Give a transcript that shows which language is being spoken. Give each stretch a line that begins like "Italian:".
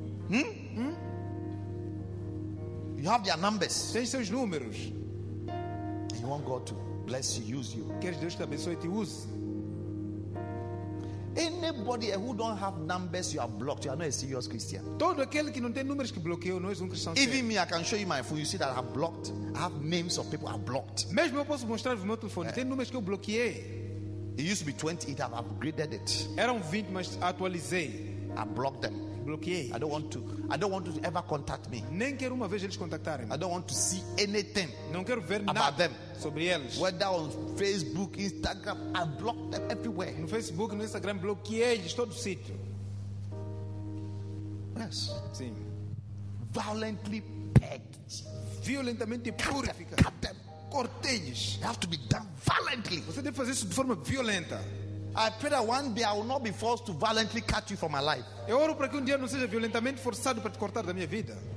English: You have their numbers.
Portuguese: Tem seus números.
English: You want God to bless you, use you.
Portuguese: Queres Deus te abençoe e te use.
English: Anybody who don't have numbers, you are blocked. You are not a serious Christian.
Portuguese: Todo aquele que não tem números que bloqueou não é cristão.
English: Even me, I can show you my phone. You see that I have blocked. I have names of people I have blocked.
Portuguese: Mesmo eu posso mostrar o meu telefone. Tem números que eu bloqueei.
English: It used to be 20, it have upgraded it.
Portuguese: Eram 20, mas atualizei.
English: I blocked them.
Portuguese: Bloqueei.
English: I don't want to ever contact me.
Portuguese: Nem quero uma vez eles contactarem.
English: I don't want to see anything.
Portuguese: Não quero ver
English: about
Portuguese: nada
English: them.
Portuguese: Sobre eles.
English: Whether on Facebook, Instagram, I blocked them everywhere.
Portuguese: No Facebook, no Instagram, bloqueei eles todo sítio.
English: Yes.
Portuguese: Sim.
English: Violently pegged.
Portuguese: Violentamente purificado.
English: Cut them.
Portuguese: Cortei-lhes.
English: It have to be done violently.
Portuguese: Você deve fazer isso de forma violenta.
English: I pray that one day I will not be forced to violently cut you from my life.
Portuguese: Eu oro para que dia não seja violentamente forçado para te cortar da minha vida.